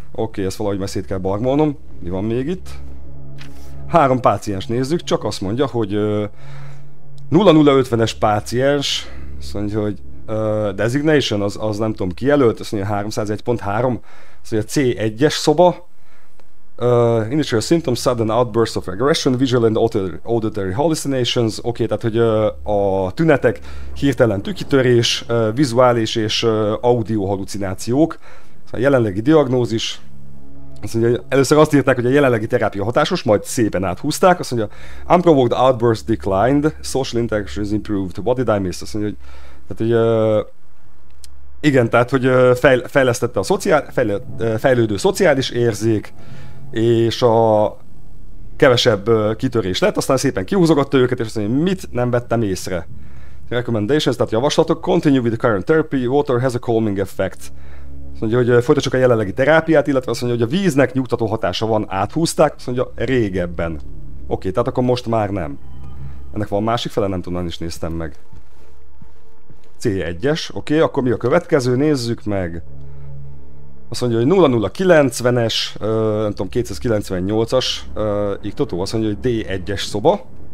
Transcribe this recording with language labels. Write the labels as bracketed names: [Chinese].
[Hungarian] Oké, ezt valahogy már szét kell barmolnom. Mi van még itt? 3 páciens nézzük, csak azt mondja, hogy 0050-es páciens. Azt mondja, hogy designation, az nem tudom, kijelölt, azt mondja 301.3, az a C1-es szoba. [English] Initial symptom, sudden outburst of aggression, visual and auditory hallucinations. [Hungarian] Oké, tehát hogy a tünetek, hirtelen tükitörés, vizuális és audio hallucinációk. Szóval a jelenlegi diagnózis. Azt mondja, először azt írták, hogy a jelenlegi terápia hatásos, majd szépen áthúzták. Azt mondja, [English] unprovoked outburst declined, social interactions improved. What did I miss? [Hungarian] Azt mondja, hogy, tehát, hogy igen, tehát hogy fejlesztette a fejlődő szociális érzék, és a kevesebb kitörés lett, aztán szépen kihúzogatta őket, és azt mondja, mit nem vettem észre. [English] Recommendations, [Hungarian] tehát javaslatok, [English] continue with the current therapy, water has a calming effect. [Hungarian] Azt mondja, hogy folytassuk a jelenlegi terápiát, illetve azt mondja, hogy a víznek nyugtató hatása van, áthúzták, azt mondja, régebben. Oké, tehát akkor most már nem. Ennek van másik fele, nem tudom, is néztem meg. C1-es, oké, akkor mi a következő, nézzük meg. Azt mondja, hogy 0090-es, nem tudom, 298-as iktató, azt mondja, hogy D1-es szoba.